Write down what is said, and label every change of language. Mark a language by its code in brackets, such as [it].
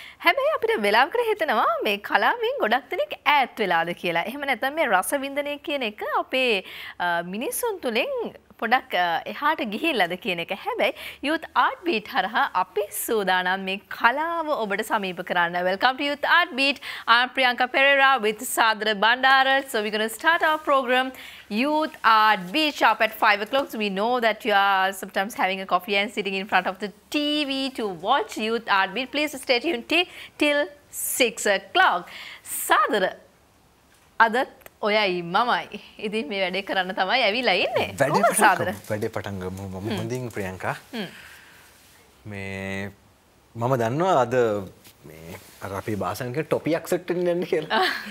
[si] හැබැයි අපිට වෙලාවකට හිතනවා මේ කලාවෙන් ගොඩක් දෙනෙක් ඈත් වෙලාද කියලා. එහෙම නැත්නම් මේ රස විඳිනේ කියන එක අපේ මිනිසුන් තුලින් පොඩක් එහාට ගිහිල්ලාද කියන එක. හැබැයි යූත් ආට් බීට් හරහා අපි සූදානම් මේ කලාව ඔබට සමීප කරන්න. [en] Welcome to youth art beat. I'm Priyanka Perera with Sadra Bandara. So we're going to start our program Youth Art Beach up at 5 o'clock. So we know that you are sometimes having a coffee and sitting in front of the TV to watch Youth Art Beach. Please stay tuned till 6 o'clock. [si] Sadra, adat ඔයයි මමයි ඉතින් මේ වැඩේ කරන්න තමයි ඇවිල්ලා ඉන්නේ. වැඩේ සාදර. වැඩේ පටන් ගමු මම හොඳින් ප්‍රියංකා. මේ මම දන්නවා අද මේ අර අපේ භාෂාවෙන් කිය ටොපි ඇක්සෙප්ට් වෙන්න යන්නේ කියලා.